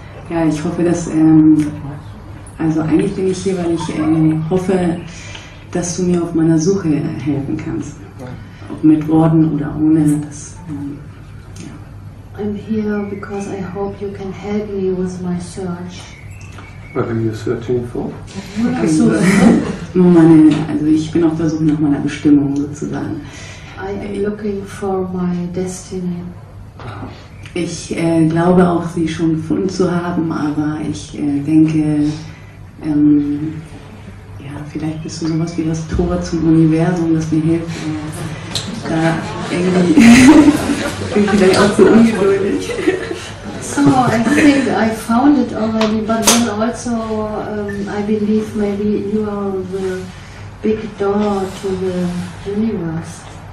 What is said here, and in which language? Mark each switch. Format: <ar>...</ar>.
<de>Ja, ich hoffe, dass, also eigentlich bin ich hier, weil ich hoffe, dass du mir auf meiner Suche helfen kannst. Ob mit Worten oder ohne, das, ja.</de> <en>I'm here because I hope you can help me with my search. What are you searching for?</en> <de>Achso, also ich bin auf der Suche nach meiner Bestimmung sozusagen.</de> <en>I am looking for my destiny.</en> <de>Ich glaube auch, sie schon gefunden zu haben, aber ich denke, ja, vielleicht bist du sowas wie das Tor zum Universum, das mir hilft, da irgendwie, bin ich vielleicht auch so ungeduldig.</de> <en>So, I think I found it already, but then also I believe maybe you are the big door to the universe.</en>